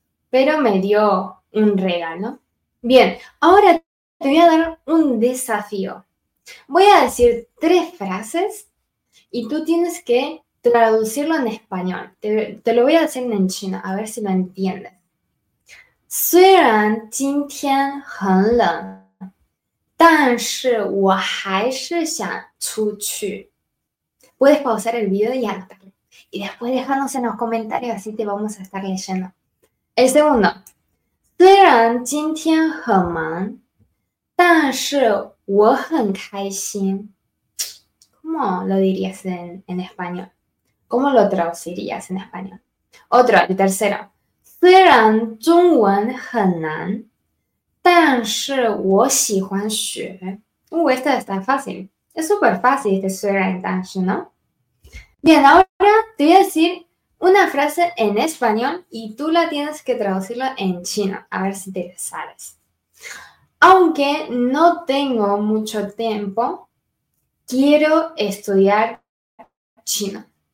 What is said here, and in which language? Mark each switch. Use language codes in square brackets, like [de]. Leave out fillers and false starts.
[es] Pero me dio un regalo. Bien, ahora te voy a dar un desafío. Voy a decir tres frases y tú tienes que traducirlo en español. Te lo voy a decir en chino, a ver si lo entiendes. [zh] 虽然今天很冷, 但是我还是想出去. [es] Puedes pausar el video y anotarlo. Y después déjanos en los comentarios, así te vamos a estar leyendo. El segundo. [zh] 虽然今天很忙, 但是我很开心. [es] ¿Cómo lo dirías en español? ¿Cómo lo traducirías en español? Otro, el tercero. [zh] 虽然中文很难, 但是我喜欢学. [es] Esto está fácil. Es súper fácil este 虽然, 但是, ¿no? Bien, ahora te voy a decir una frase en español y tú la tienes que traducirla en chino, a ver si te sales. Aunque no tengo mucho tiempo, quiero estudiar chino.